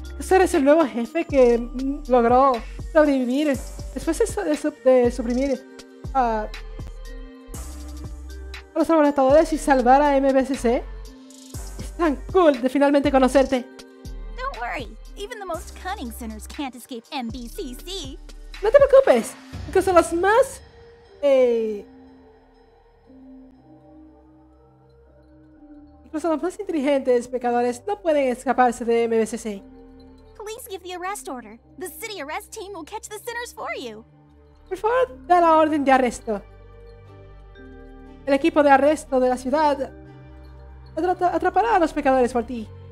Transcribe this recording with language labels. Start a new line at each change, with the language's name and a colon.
Spanish: Eres el nuevo jefe que logró sobrevivir después de suprimir a los arrestadores y salvar a MBCC. Es tan cool de finalmente conocerte.
English: Don't worry, even the most cunning sinners can't escape MBCC.
Spanish: No te preocupes, incluso los más incluso los más inteligentes pecadores no pueden escaparse de MBCC.
English: Please give the arrest order. The city arrest team will catch the sinners for you.
Spanish: Por favor, da la orden de arresto. El equipo de arresto de la ciudad atrapará a los pecadores por ti.